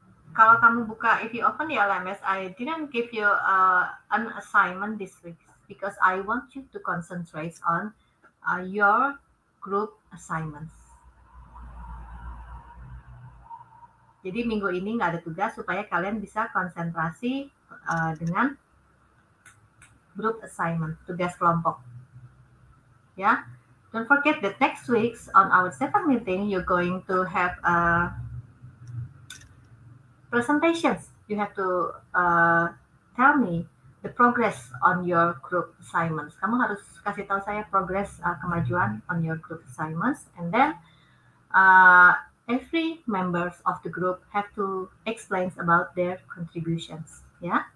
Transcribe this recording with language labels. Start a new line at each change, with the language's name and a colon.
Indonesian: Kalau kamu buka,
English: if you open the LMS, I didn't give you an assignment this week because I want you to concentrate on your group assignments.
Indonesian: Jadi minggu ini nggak ada tugas supaya kalian bisa konsentrasi dengan group assignment, tugas kelompok. Ya, yeah?
English: Don't forget that next week on our second meeting you're going to have a presentations. You have to tell me the progress on your group assignments.
Indonesian: Kamu harus kasih tahu saya progress kemajuan
English: on your group assignments, and then every members of the group have to explain about their contributions, ya, yeah?